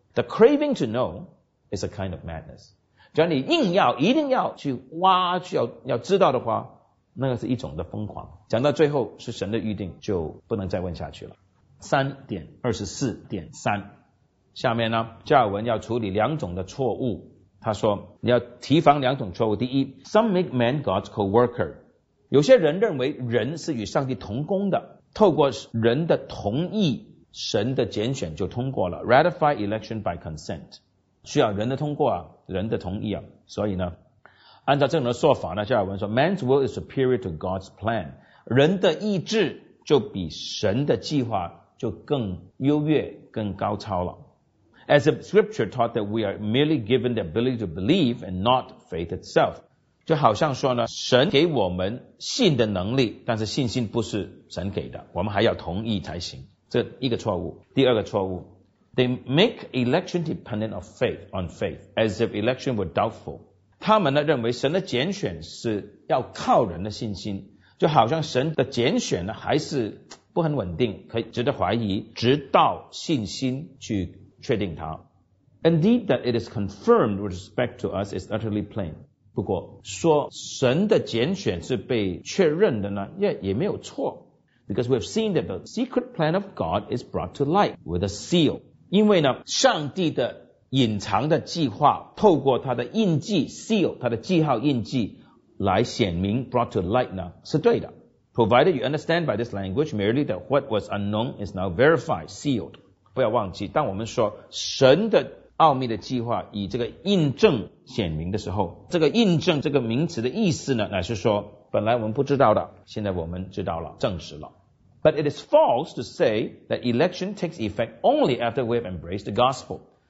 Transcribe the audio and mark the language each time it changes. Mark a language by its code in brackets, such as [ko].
[en] The craving to know is a kind of madness. [zh] 只要你硬要一定要去挖去 要知道的话，那个是一种的疯狂。讲到最后是神的预定，就不能再问下去了。 3.24.3 下面呢，加尔文要处理两种的错误。他说你要提防两种错误。第一， [en] Some make man God's co-worker， [zh] 有些人认为人是与上帝同工的，透过人的同意神的拣选就通过了， [en] Ratify election by consent， [zh] 需要人的通过啊，人的同意啊。所以呢，按照这种的说法呢，加尔文说 [en] Man's will is superior to God's plan， [zh] 人的意志就比神的计划就更优越更高超了。 [en] As if scripture taught that we are merely given the ability to believe and not faith itself. [zh] 就好像说呢，神给我们信的能力，但是信心不是神给的，我们还要同意才行。这一个错误。第二个错误， [en] They make election dependent of faith, on faith, as if election were doubtful. [zh] 他们呢认为神的拣选是要靠人的信心，就好像神的拣选呢还是不很稳定，可以值得怀疑，直到信心去确定它。 [en] Indeed that it is confirmed with respect to us is utterly plain. [zh] 不过说神的拣选是被确认的呢， 也没有错。 [en] Because we have seen that the secret plan of God is brought to light with a seal. [zh] 因为呢，上帝的隐藏的计划透过他的印记 seal， 他的记号印记来显明 [en] brought to light [zh] 呢，是对的。 [en] Provided you understand by this language merely that what was unknown is now verified, sealed. [zh] 不要忘记，当我们说神的奥秘的计划以这个印证显明的时候，这个印证这个名词的意思呢，乃是说本来我们不知道的，现在我们知道了，证实了。 [en] But it is false to say that election takes effect only after we have embraced the gospel.